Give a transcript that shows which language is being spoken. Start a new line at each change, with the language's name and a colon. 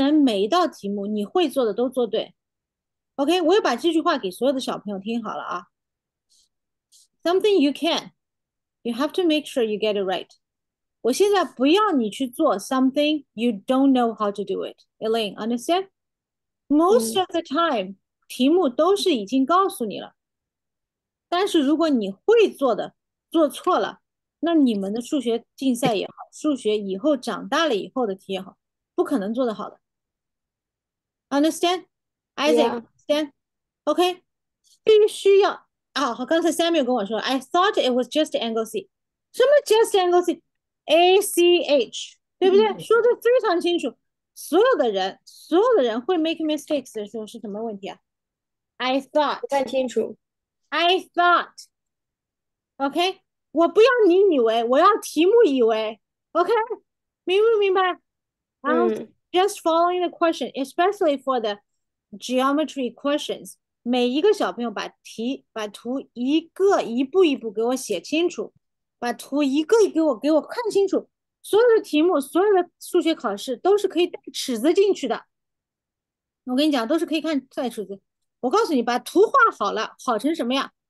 Chinese: 你的问题是你不能每一道题目你会做的都做对, okay? 我要把这句话给所有的小朋友听好了啊。
English: Something you can, you have to make sure you get it right.
Chinese: 我现在不要你去做
English: something you don't know how to do it. Elaine, understand? Most of the time,
Chinese: 题目都是已经告诉你了。但是如果你会做的, 做错了，那你们的数学竞赛也好，数学以后长大了以后的题也好，不可能做得好的。
English: Understand?
Chinese: Isaac,
English: yeah. Understand? Okay,
Chinese: 必须要啊！刚才
English: Samuel
Chinese: 跟我说
English: ，I thought it was just angle C.
Chinese: 什么
English: just angle C?
Chinese: A C H, 对不对？说得非常清楚。所有的人，所有的人 会
English: make mistakes
Chinese: 的时候是什么问题啊 ？
English: I thought.
Chinese: 不太清楚。
English: I thought. Okay.
Chinese: 我不要你以为，我要题目以为 ，OK， 明不明白？
English: Just following the question, especially for the geometry questions.
Chinese: 每一个小朋友把题一个一步一步给我写清楚，把图一个给我看清楚。所有的题目，所有的数学考试都是可以带尺子进去的。我跟你讲，都是可以看带尺子。我告诉你，把图画好了，好成什么样？